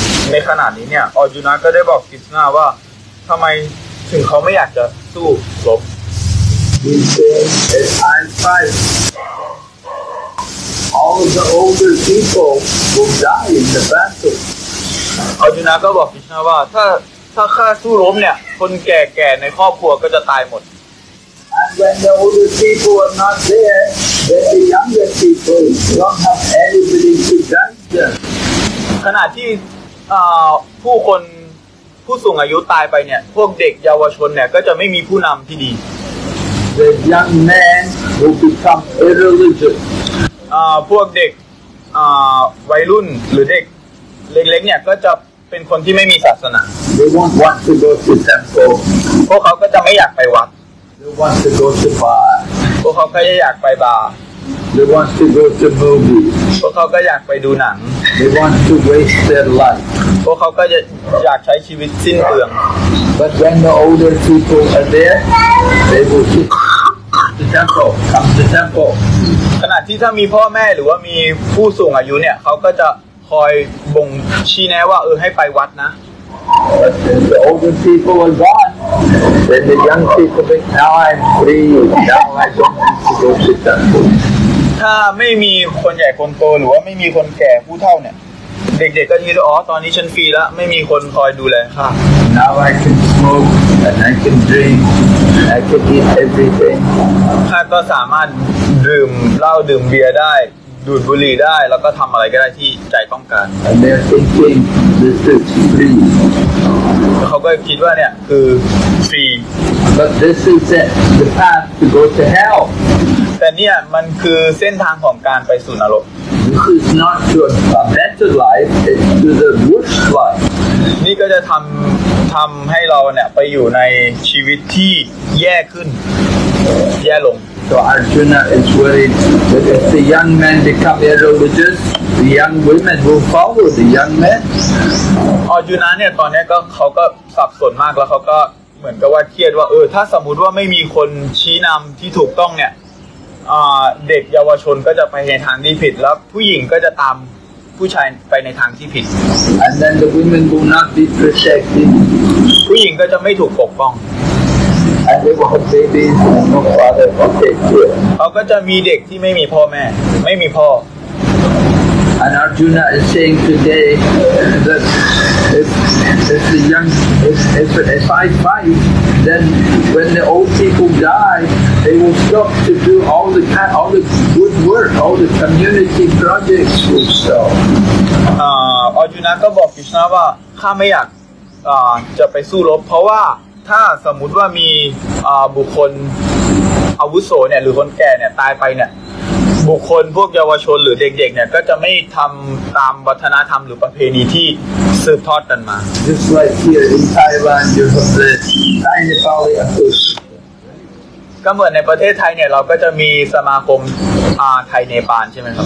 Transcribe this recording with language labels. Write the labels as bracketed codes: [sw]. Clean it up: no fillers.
[th] ในขณะนี้เนี่ย Arjuna ก็ได้บอกกฤษณะว่าทำไมถึงเขาไม่อยากจะสู้รบ [en] He says, I'll fight. All of the older people will die in the battle. [th] Arjuna ก็บอกกฤษณะว่าถ้าข้าสู้รบเนี่ยคนแก่ๆในครอบครัวก็จะตายหมด [en] And when the older people are not there, then the younger people don't have anybody to guide them. [th] ขณะที่ผู้คนผู้สูงอายุตายไปเนี่ยพวกเด็กเยาวชนเนี่ยก็จะไม่มีผู้นำที่ดี [en] The young men will become irreligious. [th] พวกเด็กวัยรุ่นหรือเด็กเล็กๆเนี่ยก็จะเป็นคนที่ไม่มีศาสนา [en] They won't want to go to temple [th] พวกเขาก็จะไม่อยากไปวัด [en] They want to go to bar [th] พวกเขาก็จะอยากไปบาร์ [en] They want to go to movie [th] พวกเขาก็อยากไปดูหนัง [en] They want to waste their life [th] พวกเขาก็จะอยากใช้ชีวิตสิ้นเปลือง [en] But when the older people are there they will keep the temple come to temple [th] ขณะที่ถ้ามีพ่อแม่หรือว่ามีผู้สูงอายุเนี่ยเขาก็จะคอยบ่งชี้แนะว่าให้ไปวัดนะ [en] The older people are gone Then the young people say Now I'm free Now I don't need to go to temple [th] ถ้าไม่มีคนใหญ่คนโตหรือว่าไม่มีคนแก่ผู้เฒ่าเนี่ยเด็กๆก็คิดอ๋อตอนนี้ฉันฟรีแล้วไม่มีคนคอยดูแลค่ะ [en] Now I can smoke and I can drink I can eat everything [th] ข้าก็สามารถดื่มเหล้าดื่มเบียร์ได้ดูดบุหรี่ได้แล้วก็ทำอะไรก็ได้ที่ใจต้องการ [en] And they're thinking this is free [th] เขาก็คิดว่าเนี่ยคือฟรี [en] But this is the path to go to hell [th] แต่เนี่ยมันคือเส้นทางของการไปสู่นรก [en] This is not to a better life, it's to the worst life [th] นี่ก็จะทำให้เราเนี่ยไปอยู่ในชีวิตที่แย่ขึ้นแย่ลง [en] So Arjuna is worried that if the young men become irreligious, the young women will follow the young men [th] Arjuna เนี่ยตอนนี้ก็เขาก็สับสนมากแล้วเขาก็เหมือนกับว่าเครียดว่าถ้าสมมุติว่าไม่มีคนชี้นำที่ถูกต้องเนี่ยเด็กเยาวชนก็จะไปในทางที่ผิดแล้วผู้หญิงก็จะตามผู้ชายไปในทางที่ผิด [en] And then the women will not be protected [th] ผู้หญิงก็จะไม่ถูกปกป้อง [en] And they will have babies no father will take care [th] เขาก็จะมีเด็กที่ไม่มีพ่อแม่ไม่มีพ่ อ [en] And Arjuna is saying today that if the young if I fight then when the old people dieThey will stop to do all the good work, all the community projects will stop. [th] Arjuna ก็บอกกฤษณะว่าข้าไม่อยากจะไปสู้รบเพราะว่าถ้าสมมุติว่ามีบุคคลอาวุโสเนี่ยหรือคนแก่เนี่ยตายไปเนี่ยบุคคลพวกเยาวชนหรือเด็กๆเนี่ยก็จะไม่ทำตามวัฒนธรรมหรือประเพณีที่สืบทอดกันมา [en] Just like here in Taiwan, you have the Thai Nepali official [th] ก็เหมือนในประเทศไทยเนี่ยเราก็จะมีสมาคมไทยเนปาลใช่ไหมครับ